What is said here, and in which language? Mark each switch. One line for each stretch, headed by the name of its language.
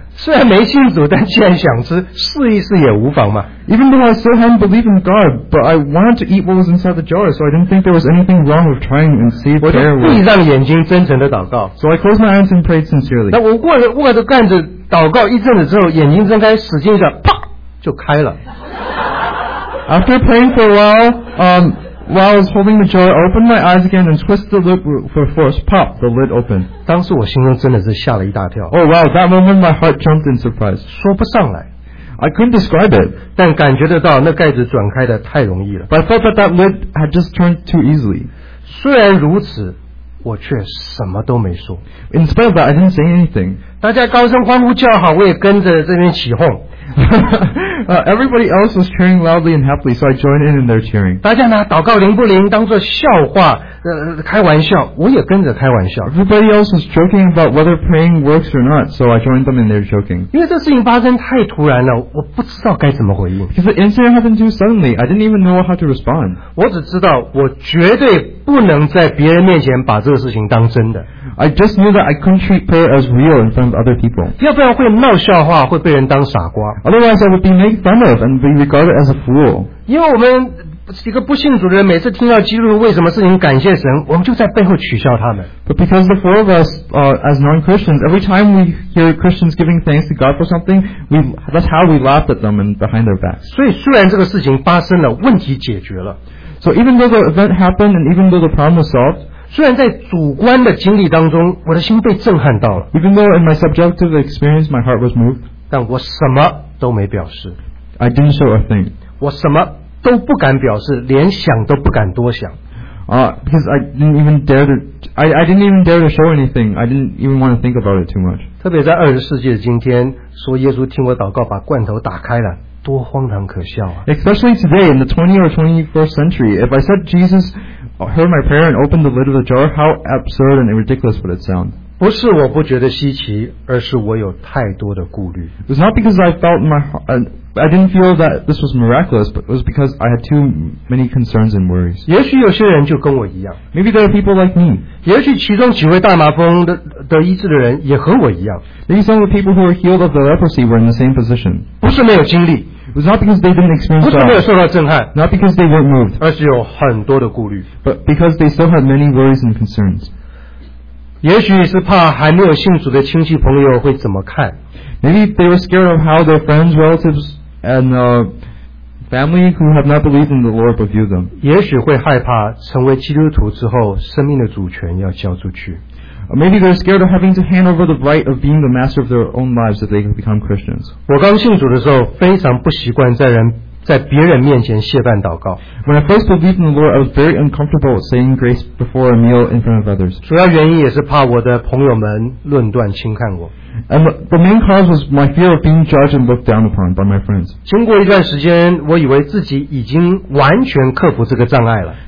Chinese: 虽然没信主，但既然想吃，试一试也无妨嘛。
English: Even though I still hadn't believed in God, but I wanted to eat what was inside the jar, so I didn't think there was anything wrong with trying and see if there was.
Chinese: 我闭上眼睛，真诚的祷告。
English: So I closed my eyes and prayed sincerely.
Chinese: 那我握着盖子祷告一阵子之后，眼睛睁开，使劲一下，啪就开了。
English: After praying for a while, while I was holding the jar, I opened my eyes again and twisted the lid for force. Pop, the lid opened.
Chinese: 当时我心中真的是吓了一大跳。
English: Oh wow, that moment my heart jumped in surprise.
Chinese: 说不上来。
English: I couldn't describe it.
Chinese: 但感觉得到那盖子转开的太容易了。
English: But I felt that that lid had just turned too easily.
Chinese: 虽然如此，我却什么都没说。
English: In spite of that, I didn't say anything.
Chinese: 大家高声欢呼叫好，我也跟着这边起哄。
English: Everybody else was cheering loudly and happily, so I joined in their cheering.
Chinese: 大家拿祷告灵不灵当作笑话，开玩笑，我也跟着开玩笑。
English: Everybody else was joking about whether praying works or not, so I joined them in their joking.
Chinese: 因为这事情发生太突然了，我不知道该怎么回应。
English: Because the incident happened too suddenly, I didn't even know how to respond.
Chinese: 我只知道我绝对不能在别人面前把这个事情当真的。
English: I just knew that I couldn't treat prayer as real in front of other people.
Chinese: 要不然会闹笑话，会被人当傻瓜。
English: Otherwise, I would be made fun of and be regarded as a fool.
Chinese: 因为我们几个不信主的人，每次听到基督徒为什么事情感谢神，我们就在背后取笑他们。
English: But because the four of us, as non-Christians, every time we hear Christians giving thanks to God for something, that's how we laugh at them and behind their backs.
Chinese: 所以虽然这个事情发生了，问题解决了。
English: So even though the event happened and even though the problem was solved.
Chinese: 虽然在主观的经历当中，我的心被震撼到了。
English: Even though in my subjective experience, my heart was moved.
Chinese: 但我什么都没表示。
English: I didn't show a thing.
Chinese: 我什么都不敢表示，连想都不敢多想。
English: Because I didn't even dare to show anything. I didn't even want to think about it too much.
Chinese: 特别在二十世纪的今天，说耶稣听我祷告，把罐头打开了。多荒唐可笑啊！
English: Especially today in the 20th or 21st century, if I said Jesus heard my prayer and opened the lid of the jar, how absurd and ridiculous would it sound?
Chinese: 不是我不觉得稀奇，而是我有太多的顾虑。
English: It's not because I felt my But I didn't feel that this was miraculous, but it was because I had too many concerns and worries.
Chinese: 也许有些人就跟我一样。
English: Maybe there are people like me.
Chinese: 也许其中几位大麻风的医治的人也和我一样。
English: Maybe some of the people who were healed of the leprosy were in the same position.
Chinese: 不是没有经历。
English: It was not because they didn't experience God.
Chinese: 不是没有受到震撼。
English: Not because they weren't moved.
Chinese: 而是有很多的顾虑。
English: But because they still had many worries and concerns.
Chinese: 也许是怕还没有信主的亲戚朋友会怎么看。
English: Maybe they were scared of how their friends, relatives, and family who have not believed in the Lord would view them.
Chinese: 也许会害怕成为基督徒之后，生命的主权要交出去。
English: Maybe they're scared of having to hand over the right of being the master of their own lives if they can become Christians.
Chinese: 我刚信主的时候，非常不习惯在别人面前谢饭祷告。
English: When I first believed in the Lord, I was very uncomfortable saying grace before a meal in front of others.
Chinese: 主要原因也是怕我的朋友们论断轻看我。
English: And the main cause was my fear of being judged and looked down upon by my friends.
Chinese: 经过一段时间，我以为自己已经完全克服这个障碍了。